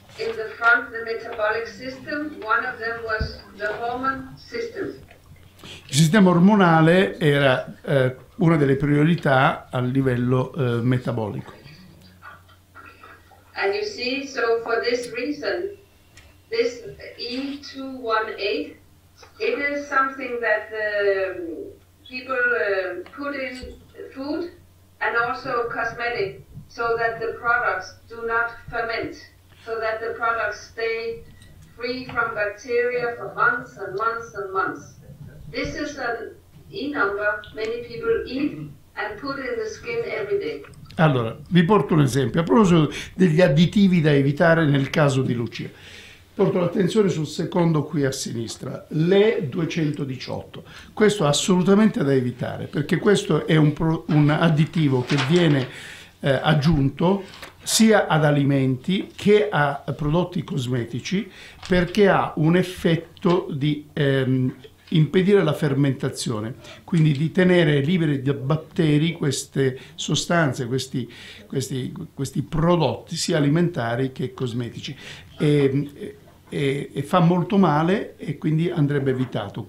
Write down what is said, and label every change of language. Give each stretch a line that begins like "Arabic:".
English: In the front, the metabolic system, one of them was the hormone system.
Italian: Il sistema ormonale era una delle priorità a livello metabolico.
English: And you see, so for this reason, this E218, it is something that people put in food and also cosmetic, so that the products do not ferment. So that the products stay free from bacteria for months and months and months. This is an E number many people eat and put in the skin every day.
Italian: Allora, vi porto un esempio. A proposito degli additivi da evitare nel caso di Lucia. Porto l'attenzione sul secondo qui a sinistra, l'E218. Questo è assolutamente da evitare, perché questo è un additivo che viene aggiunto sia ad alimenti che a prodotti cosmetici, perché ha un effetto di impedire la fermentazione, quindi di tenere liberi da batteri queste sostanze, questi prodotti sia alimentari che cosmetici, e fa molto male e quindi andrebbe evitato.